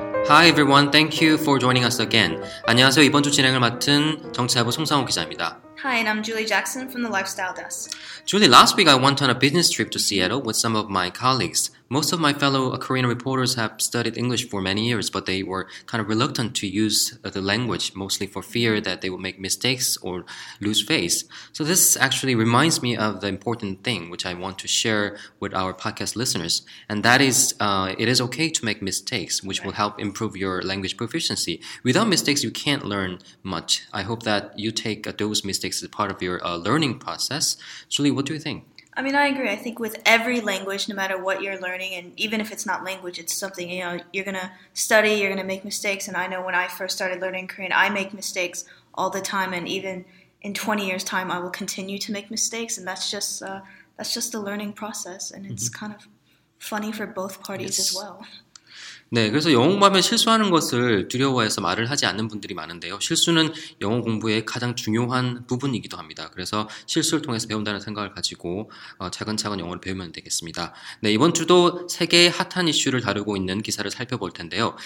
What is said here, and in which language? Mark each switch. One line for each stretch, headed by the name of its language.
English: Hi everyone, thank you for joining us again.
Korean: 안녕하세요. 이번 주 진행을 맡은 정치사부 송상호 기자입니다.
English: Hi, and I'm Julie Jackson from the Lifestyle Desk. Julie, last week I went on a business trip to Seattle with some of my colleagues. Most of my fellow Korean reporters have studied English for many years, but they were kind of reluctant to use the language, mostly for fear that they would make mistakes or lose face. So this actually reminds me of the important thing which I want to share with our podcast listeners, and that is it is okay to make mistakes, which will help improve your language proficiency. Without mistakes, you can't learn much. I hope that you take those mistakes as part of your learning process. Julie, what do you think? I mean, I agree. I think with every language, no matter what you're learning, and even if it's not language, it's something, you know, you're going to study, you're going to make mistakes. And I know when I first started learning Korean, I make mistakes all the time. And even in 20 years' time, I will continue to make mistakes. And that's just the learning process. And it's kind of funny for both parties as well.
Korean: 네, 그래서 영어 공부하면 실수하는 것을 두려워해서 말을 하지 않는 분들이 많은데요. 실수는 영어 공부의 가장 중요한 부분이기도 합니다. 그래서 실수를 통해서 배운다는 생각을 가지고 차근차근 영어를 배우면 되겠습니다. 네, 이번 주도 세계의 핫한 이슈를 다루고 있는 기사를 살펴볼 텐데요.